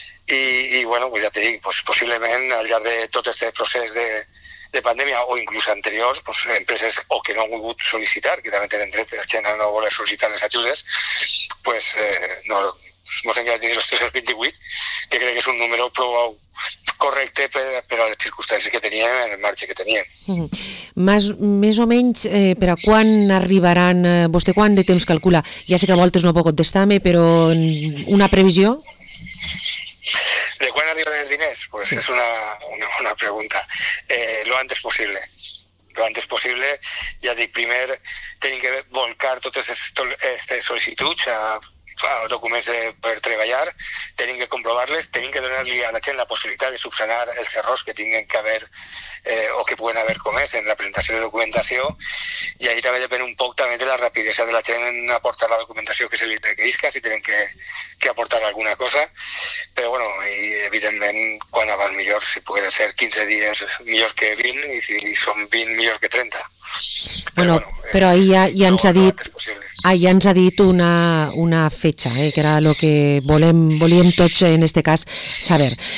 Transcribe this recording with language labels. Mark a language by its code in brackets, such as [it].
[ca] I bueno, pues ja te dic, pues possiblement al llarg de tot aquest procés de pandèmia o inclús anteriors, pues empreses o que no han volgut sol·licitar, que també tenen dret, la gent no vol sol·licitar les ajudes, pues no, mos hem quedat dins els 328, que crec que és un número prou correcte per a les circumstàncies que teníem, en el marge que teníem. Més o menys, per a quan arribaran, vostè quant de temps calcula? Ja sé que a voltes no puc contestar-me, però una previsió? [es] ¿De cuándo arriban el dinero? Pues es una pregunta. Lo antes posible. Lo antes posible, ya de primer, tienen que volcar todas estas solicitudes a documentos de poder trabajar, tienen que comprobarles, tienen que donarle a la gente la posibilidad de subsanar el cerros que tienen que haber o que pueden haber comés en la presentación de documentación, y ahí también depende un poco también de la rapidez de la gente en aportar la documentación que se le requerisca, si tienen que aportar alguna cosa, pero bueno, y evidentemente cuando van mejor, si puede ser 15 días mejor que 20, y si son 20 mejor que 30. [ca] Bueno, però ahir ja ens ha dit una fetge, que era el que volíem tots en aquest cas saber.